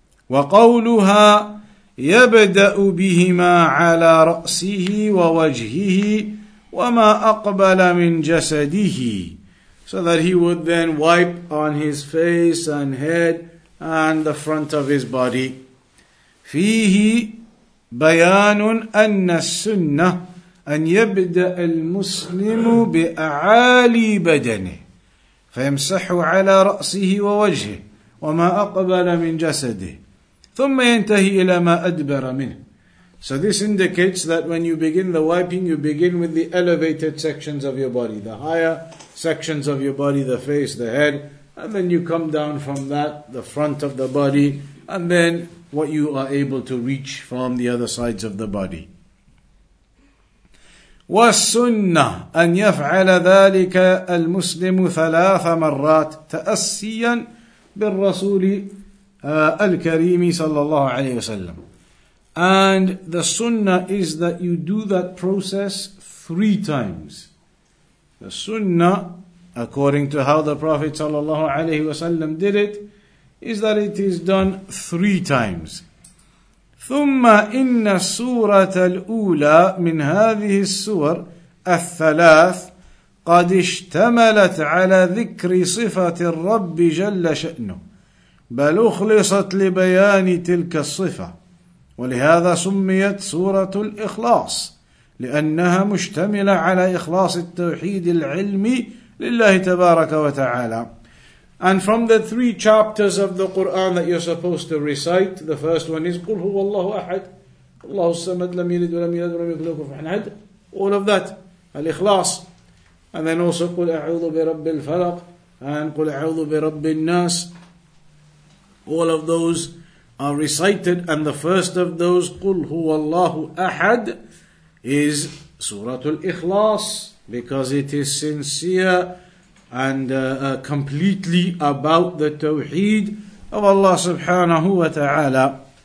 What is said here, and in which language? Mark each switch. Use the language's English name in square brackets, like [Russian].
[Arabic] وَقَوْلُهَا يَبْدَأُ بِهِمَا عَلَىٰ رَأْسِهِ وَوَجْهِهِ وَمَا أَقْبَلَ مِنْ جَسَدِهِ. [English] So that he would then wipe on his face and head and the front of his body. [Arabic] فيه بيان أن السنة أن يبدأ المسلم بأعالي بدنه فيمسح على رأسه ووجهه وما أقبل من جسده ثم ينتهي إلى ما أدبر منه. [English] So this indicates that when you begin the wiping, you begin with the elevated sections of your body, the higher sections of your body, the face, the head, and then you come down from that, the front of the body, and then what you are able to reach from the other sides of the body. [Arabic] وَالسُنَّةَ أَنْ يَفْعَلَ ذَلِكَ الْمُسْلِمُ ثَلَاثَ مَرَّاتٍ تَأَسِّيًا بِالرَّسُولِ الْكَرِيمِ صَلَّى اللَّهُ عَلَيْهِ وَسَلَّمُ. [English] And the sunnah is that you do that process three times. The sunnah, according to how the Prophet ﷺ did it, is that it is done three times. [Arabic] ثُمَّ إِنَّ سُورَةَ الْأُولَى مِنْ هَذِهِ السُّورَ الثَّلَاثِ قَدْ اشْتَمَلَتْ عَلَى ذِكْرِ صِفَةِ الرَّبِّ جَلَّ شَأْنُهُ بَلْ أُخْلِصَتْ لِبَيَانِ تِلْكَ الصِّفَةِ وَلِهَذَا سُمِّيَتْ سُورَةُ الْإِخْلَاصِ لأنها مشتملة على إخلاص التوحيد العلمي لله تبارك وتعالى. [English] And from the three chapters of the Quran that you're supposed to recite, the first one is [Arabic] قل هو الله أحد الله الصمد لم يلد ولم يولد ولم يكن له كفوا أحد. [English] All of that, الإخلاص. And then also [Arabic] قل أعوذ برب الفلق [English] and [Arabic] قل أعوذ برب الناس. [English] All of those are recited, and the first of those, [Arabic] قل هو الله أحد, [English] is Surah Al-Ikhlas, because it is sincere and completely about the Tawheed of Allah subhanahu wa ta'ala.